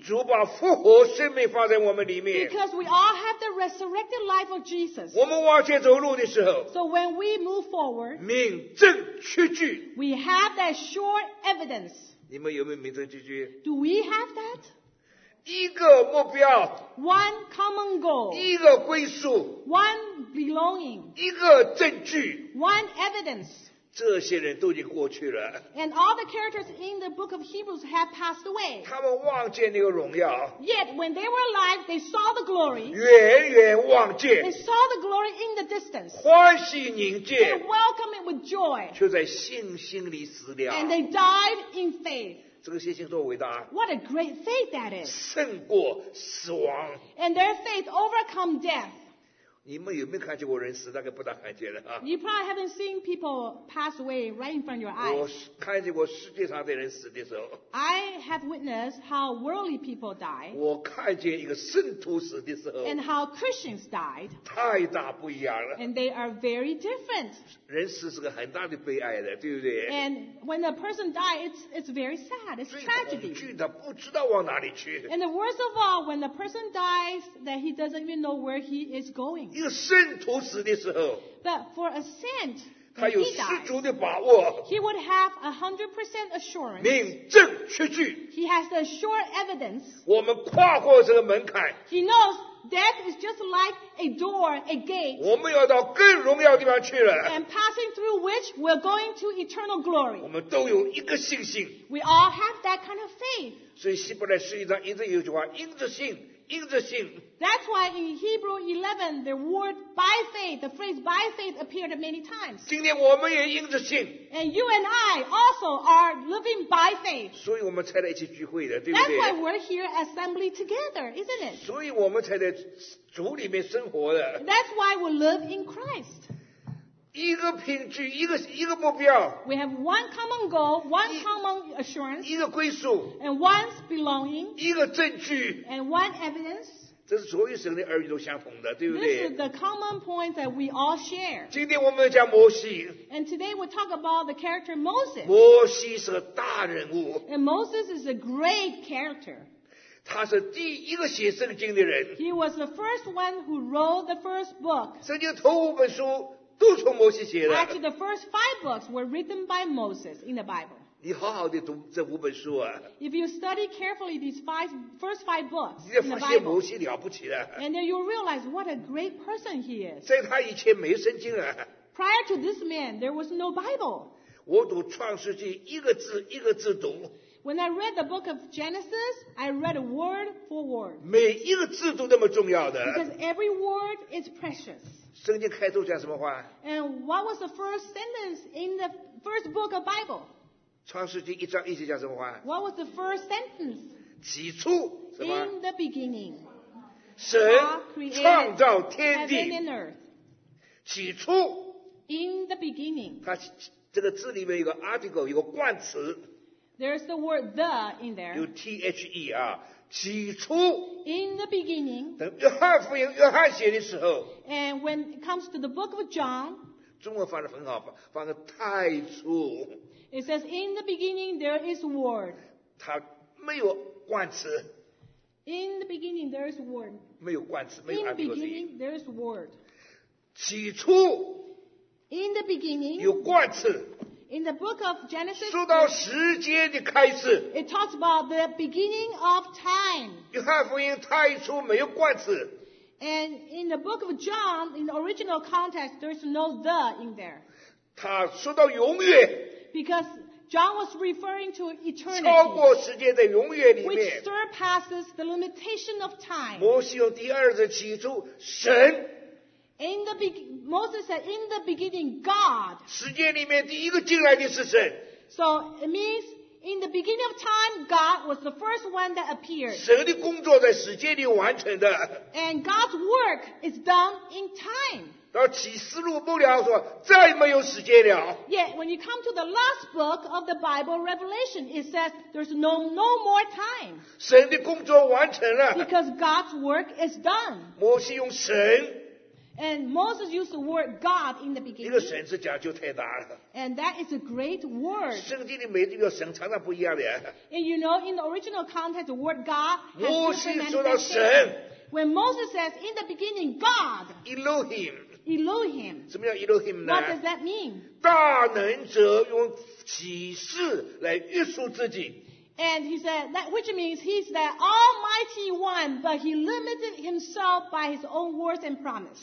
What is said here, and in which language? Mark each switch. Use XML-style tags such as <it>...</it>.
<zh>主把复活生命放在我们里面</zh> <en>Because we all have the resurrected life of Jesus.</en> <zh>我们往前走路的时候</zh> <en>So when we move forward,</en> <zh>明证确据</zh> <en>We have that sure evidence.</en> <zh>你们有没有明证确据</zh> <en>Do we have that?</en> <zh>一个目标</zh> <en>One common goal</en> <zh>一个归宿</zh> <en>One belonging</en> <zh>一个证据</zh> <en>One evidence</en> <zh>这些人都已经过去了</zh> <en>And all the characters in the book of Hebrews have passed away</en> <zh>他们望见那个荣耀</zh> <en>Yet when they were alive they saw the glory</en> <zh>远远望见</zh> <en>They saw the glory in the distance</en> <zh>欢喜宁静</zh> <en>They welcomed it with joy</en> <zh>却在信心里死了</zh> <en>And they died in faith</en> <zh>这个信心多伟大</zh> <en>What a great faith that is.</en> <zh>胜过死亡。</zh> <en>And their faith overcome death.</en> <zh>你们有没有看见过人死大概不大看见了、啊、</zh> <en>You probably haven't seen people pass away right in front of your eyes.</en> <zh>我看见过世界上的人死的时候。</zh> <en>I have witnessed how worldly people die.</en> <zh>我看见一个圣徒死的时候。</zh> <en>And how Christians died.</en> <zh>太大不一样了。</zh> <en>And they are very different.</en> <zh>人死是个很大的悲哀的，对不对</zh> <en>？And when a person dies, it's very sad. It's tragedy.</en> <zh>最恐惧的不知道往哪里去。</zh> <en>And the worst of all, when a person dies, that he doesn't even know where he is going.</en> <zh>一个圣徒死的时候。</zh> <en>But for a saint,</en> <zh>他有十足的把握。</zh> <en>He would have 100% assurance.</en> <zh>明证确据。</zh> <en>He has the sure evidence.</en> <zh>我们跨过这个门槛。</zh> <en>He knows. Death is just like a door, a gate.</en> <zh>我们要到更荣耀的地方去了。</zh> <en>And passing through which we're going to eternal glory.</en> <zh>我们都有一个信心。</zh> <en>We all have that kind of faith.</en> <zh>所以希伯来十一章一直有句话，因着信，因着信。</zh> <en>That's why in Hebrew 11, the word by faith, the phrase by faith appeared many times.</en> <zh>今天我们也因着信。</zh> <en>And you and I also are living by faith.</en> <zh>所以我们才在一起聚会的，对不对？</zh> <en>That's why we're here assembly together, isn't it?</en> <zh>所以我们才在主里面生活的。</zh> <en>That's why we live in Christ.</en> <zh>一个凭据，一个目标。</zh> <en>We have one common goal, one common assurance.</en> <zh>一个归宿。</zh> <en>And one's belonging.</en> <zh>一个证据。</zh> <en>And one evidence.</en> <zh>这是所有神的儿女都相同的，对不对</zh> <en>？This is the common point that we all share.</en> <zh>今天我们讲摩西。</zh> <en>And today we talk about the character Moses.</en> <zh>摩西是个大人物。</zh> <en>And Moses is a great character.</en> <zh>他是第一个写圣经的人。</zh> <en>He was the first one who wrote the first book.</en> <zh>圣经头五本书都从摩西写的。</zh> <en>Actually, the first five books were written by Moses in the Bible.</en> <zh>你好好的读这五本书啊</zh> <en>！If you study carefully these first five books,</en> <zh>你就发现摩西了不起了。</zh> <en>And then you'll realize what a great person he is.</en> <zh>在他以前没圣经啊。</zh> <en>Prior to this man, there was no Bible.</en> <zh>我读创世纪一个字一个字读。</zh> <en>When I read the book of Genesis, I read word for word.</en> <zh>每一个字都那么重要的。</zh> <en>Because every word is precious.</en> <zh>圣经开头讲什么话</zh> <en>？And what was the first sentence in the first book of Bible?</en> <zh>创世纪一章一节讲什么话</zh> <en>？What was the first sentence？</en> <zh>起初</zh> <en>，In the beginning，</en> <zh>神创造天地。</zh> <en>Heaven and earth。</en> <zh>起初</zh> <en>，In the beginning。</en> <zh>它这个字里面有个 article， 有个冠词。</zh> <en>There's the word the in there.</en> <zh>有 the 啊，起初。</zh> <en>In the beginning.</en> <zh>等约翰福音约翰写的时候。</zh> <en>And when it comes to the book of John.</en> <zh>中文翻得很好，翻个太初。</zh> <en>It says in the beginning there is word.</en> <zh>它没有冠词。</zh> <en>In the beginning there is word.</en> <zh>没有冠词，没有</zh> <en>In the beginning there is word.</en> <zh>起初。</zh> <en>In the beginning.</en> <zh>有冠词。</zh> <en>In the book of Genesis,</en> <zh>说到时间的开始。</zh> <en>It talks about the beginning of time.</en> <zh>约翰福音太初没有冠词。</zh> <en>And in the book of John, in the original context, there's no the in there.</en> <zh>他说到永远。</zh> <en>Because John was referring to eternity.</en> <zh>超过时间的永远里面。</zh> <en>Which surpasses the limitation of time.</en> <zh>摩西用第二次起初神。</zh> <en>In the Moses said, "In the beginning, God."</en> <zh>时间里面第一个进来的是神。</zh> <en>So it means in the beginning of time, God was the first one that appeared.</en> <zh>神的工作在时间里完成的。</zh> <en>And God's work is done in time.</en> <zh>到启示录末了说再没有时间了。</zh> <en>Yet when you come to the last book of the Bible, Revelation, it says there's no more time.</en> <zh>神的工作完成了。</zh> <en>Because God's work is done.</en> <zh>摩西用神。</zh> <en>And Moses used the word God in the beginning.</en> <zh>这个神是讲究太大了。</zh> <en>And that is a great word.</en> <zh>圣经里每一个神常常不一样的。</zh> <en>And you know, in the original context, the word God has different manifestation. When Moses says, in the beginning, God. Elohim. Elohim.</en> <zh>什么叫 Elohim 呢？</zh> <en>What does that mean?</en> <zh>大能者用启示来约束自己。</zh> <en>And he said, that, which means he's that almighty one, but he limited himself by his own words and promise.</en>